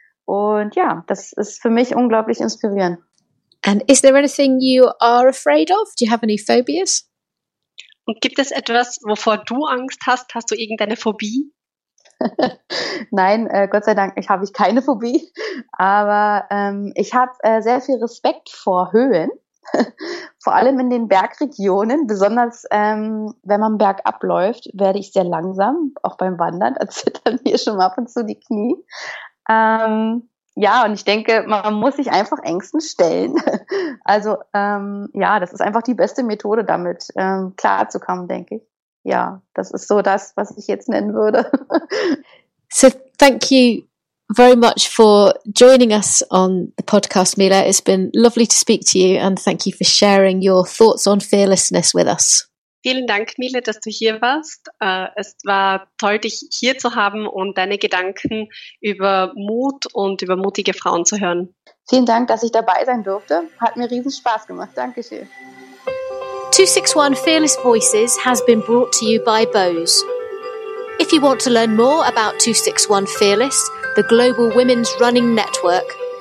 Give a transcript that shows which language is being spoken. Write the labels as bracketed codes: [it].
[de] Und ja, das ist für mich unglaublich inspirierend. [en] And is there anything you are afraid of? Do you have any phobias? [de] Und gibt es etwas, wovor du Angst hast? Hast du irgendeine Phobie? Nein, Gott sei Dank, habe ich keine Phobie. Aber ich habe sehr viel Respekt vor Höhen, vor allem in den Bergregionen. Besonders wenn man bergab läuft, werde ich sehr langsam, auch beim Wandern, da zittern mir schon ab und zu die Knie. Und ich denke, man muss sich einfach Ängsten stellen. Also das ist einfach die beste Methode, damit klarzukommen, denke ich. Ja, das ist so das, was ich jetzt nennen würde. [en] So thank you very much for joining us on the podcast, Mila. It's been lovely to speak to you and thank you for sharing your thoughts on fearlessness with us. [de] Vielen Dank, Mila, dass du hier warst. Es war toll, dich hier zu haben und deine Gedanken über Mut und über mutige Frauen zu hören. Vielen Dank, dass ich dabei sein durfte. Hat mir riesen Spaß gemacht. Dankeschön. [en] 261 Fearless Voices has been brought to you by Bose. If you want to learn more about 261 Fearless, the global women's running network,